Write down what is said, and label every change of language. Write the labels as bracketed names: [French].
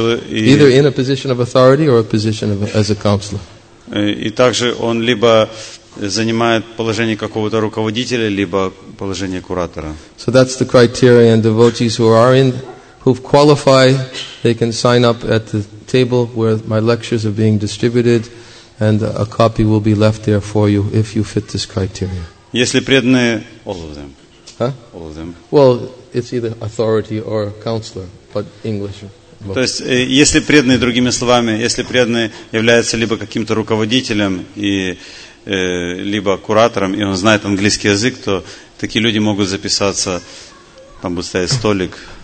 [English] Either in a position of authority or a position as a counselor. [Russian] И также он либо занимает положение какого-то руководителя, либо положение куратора. [English] So that's the criteria, and devotees who are in who qualify, they can sign up at the table where my lectures are being distributed, and a copy will be left there for you if you fit this criteria. [Russian] Если преданные, [English] all of them. Huh? All of them. Well, it's either authority or counselor, but English. [Russian] То есть, если преданные, другими словами, если преданные являются либо каким-то руководителем и либо куратором, и он знает английский язык, то такие люди могут записаться, там будет стоять столик.